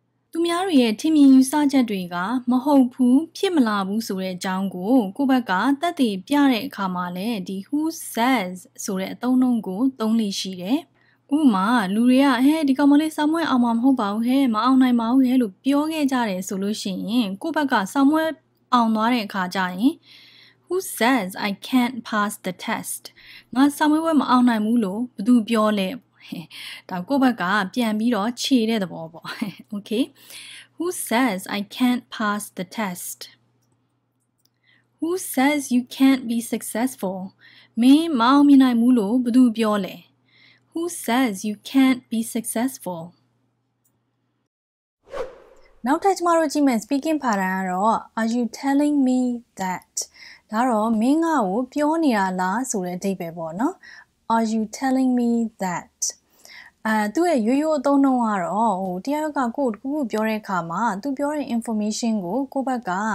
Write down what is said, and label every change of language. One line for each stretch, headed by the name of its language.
Burmese: သူများတွေရဲ့ထင်မြင်ယူဆချက်တွေကမဟုတ်ဘူးဖြစ်မလာဘူးဆိုတဲ့အကြောင်းကိုကိုယ့်ဘက်ကသက်သေပြတဲ့အခါမှာလည်းဒီ who says ဆိုတဲ့အသုံးနှုန်းကိုသုံးလို့ရှိတယ်ဥပမာလူတွေကဟဲ့ဒီကောင်မလေးစာမွက်အောင်မှာမဟုတ်ပါဘူးဟဲ့မအောင်နိုင်ပါဘူးဟဲ့လို့ပြောခဲ့ကြတယ်ဆိုလို့ရှိရင်ကိုယ့်ဘက်ကစာမွက်အောင်သွားတဲ့အခါကျရင်
English: Who says I can't pass the test?
Burmese: ငါစာမွေးပွဲမအောင်နိုင်ဘူးလို့ဘသူပြောလဲ။ဒါကိုယ့်ဘက်ကပြန်ပြီးတော့ခြေတဲ့သဘောပေါ့။ Okay.
English: Who says I can't pass the test? Who says you can't be successful?
Burmese: မင်းမအောင်မြင်နိုင်ဘူးလို့ဘသူပြောလဲ။
English: Who says you can't be successful?
Burmese: နောက်ထပ်ကျမတို့ကြည့်မယ် speaking pattern ကတော့
English: are you telling me that
Burmese: ဒါတော့မင်းငါ့ကိုပြောနေတာလားဆိုတဲ့အဓိပ္ပာယ်ပေါ့နော် are you telling me that သူ့ရဲ့ရိုးရိုးအသုံးနှုန်းကတော့ဟိုတရားရုံးကကိုယ့်တခုခုပြောတဲ့အခါမှာသူပြောတဲ့ information ကိုကိုယ့်ဘက်က